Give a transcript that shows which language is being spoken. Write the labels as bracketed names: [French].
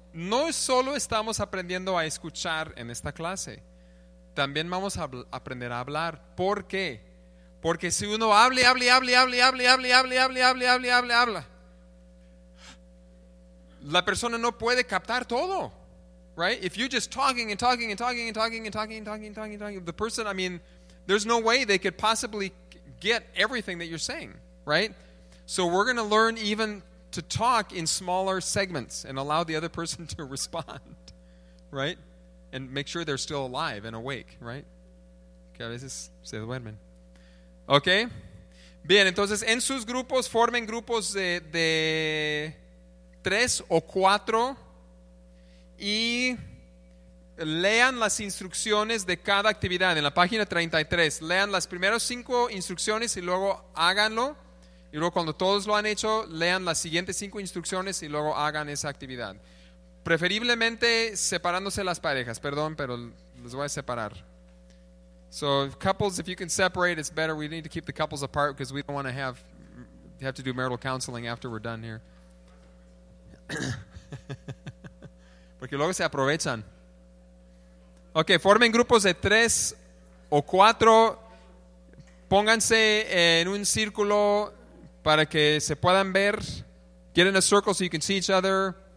[Spanish] no solo estamos aprendiendo a escuchar en esta clase, también vamos a aprender a hablar. ¿Por qué? Porque si uno habla, la persona no puede captar todo, right? [English] If you're just talking, the person, I mean, there's no way they could possibly get everything that you're saying, right? So we're going to learn even to talk in smaller segments and allow the other person to respond, right? And make sure they're still alive and awake, right? [Spanish] Que a veces se duermen. Okay? Bien, entonces, en sus grupos, formen grupos de tres o cuatro y lean las instrucciones de cada actividad en la página 33. Lean las primeras cinco instrucciones y luego háganlo. Y luego cuando todos lo han hecho, lean las siguientes cinco instrucciones y luego hagan esa actividad. Preferiblemente separándose las parejas. Perdón, pero los voy a separar. [English] So couples, if you can separate, it's better. We need to keep the couples apart because we don't want to have to do marital counseling after we're done here. [Spanish] Porque luego se aprovechan. Okay, formen grupos de tres o cuatro. Pónganse en un círculo para que se puedan ver. [English] Get in a circle so you can see each other.